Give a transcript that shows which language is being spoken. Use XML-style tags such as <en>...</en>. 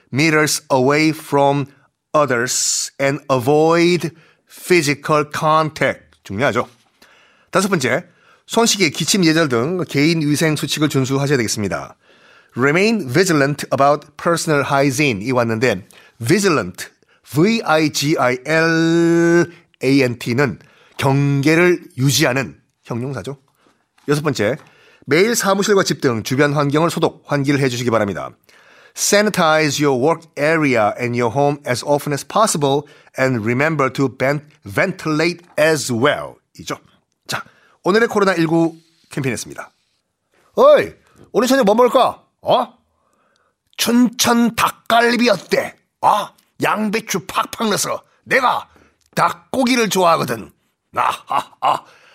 <en>meters away from others and avoid physical contact.</en> <ko>중요하죠. 다섯 번째, 손 씻기, 기침 예절 등 개인 위생 수칙을 준수하셔야 되겠습니다.</ko> <en>Remain vigilant about personal hygiene.</en> <ko>이 왔는데</ko> <en>vigilant, V-I-G-I-L-A-N-T는</en> <ko>경계를 유지하는 형용사죠. 여섯 번째, 매일 사무실과 집 등 주변 환경을 소독, 환기를 해주시기 바랍니다.</ko> <en>Sanitize your work area and your home as often as possible and remember to ventilate as well.</en> <ko>이죠. 자, 오늘의 코로나19 캠페인이었습니다. 어이, 오늘 저녁 뭐 먹을까? 어? 춘천 닭갈비 어때? 어? 양배추 팍팍 넣어서 내가 닭고기를 좋아하거든. 아하하.</ko>